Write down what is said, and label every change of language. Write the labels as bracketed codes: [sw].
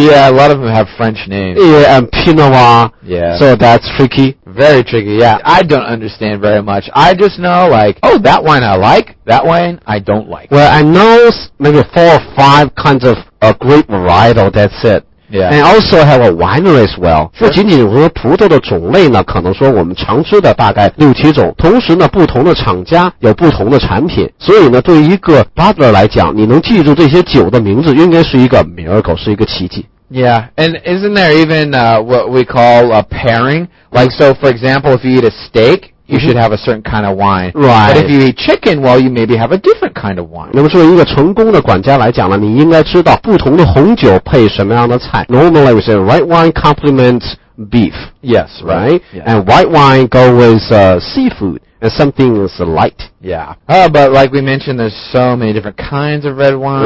[en] Yeah, a lot of them have French names. Yeah, and Pinot Noir. Yeah. So that's tricky. Very tricky, yeah. I don't understand very much. I just know, like, oh, that wine I like, that wine I don't like. Well, I know maybe four or five kinds of grape varietal, that's it. Yeah. And also have a winery as well. [zh] 不仅仅说葡萄的种类呢，可能说我们常吃的大概六七种。同时呢，不同的厂家有不同的产品。所以呢，对于一个 butler 来讲，你能记住这些酒的名字，应该是一个 miracle， 是一个奇迹。 [en] Yeah, and isn't there even what we call a pairing? Like, so for example, if you eat a steak,You should have a certain kind of wine. Right. But if you eat chicken, well, you maybe have a different kind of wine. [zh] 那么作为一个成功的管家来讲呢，你应该知道不同的红酒配什么样的菜。 [en] Normally, we say red wine complements beef. Yes, right. Yes. And white wine go with seafood. And something is light. Yeah. Oh, but like we mentioned, there's so many different kinds of red wine.